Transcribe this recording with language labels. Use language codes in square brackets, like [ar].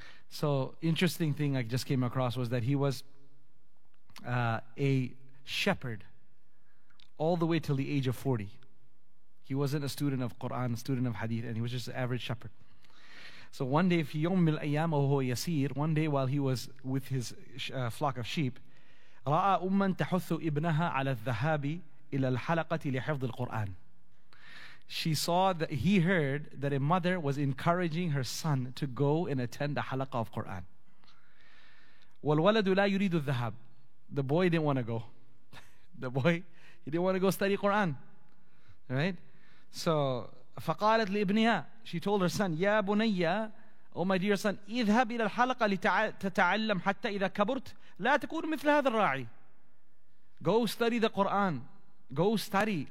[en] So, interesting thing I just came across was that he was a shepherd all the way till the age of 40. He wasn't a student of Quran, a student of Hadith, and he was just an average shepherd. So one day, [ar] في يوم من الأيام وهو يسير, [en] one day while he was with his flock of sheep, [ar] رأى أما تحث ابنها على الذهاب إلى الحلقة لحفظ القرآن. [en] She saw that he heard that a mother was encouraging her son to go and attend a halaqa of Quran. [ar] والولد لا يريد الذهاب. [en] The boy didn't want to go. The boy, he didn't want to go study Quran. Right? So, [ar] فَقَالَتْ لِإِبْنِهَا [en] She told her son, [ar] يَا بُنَيَّا [en] Oh my dear son, [ar] اِذْهَبْ إِلَى الْحَلَقَ لِتَتَعَلَّمْ حَتَّى إِذَا كَبُرْتْ لَا تَكُونُ مِثْلَ هَذَا الرَّاعِ [en] Go study the Quran. Go study.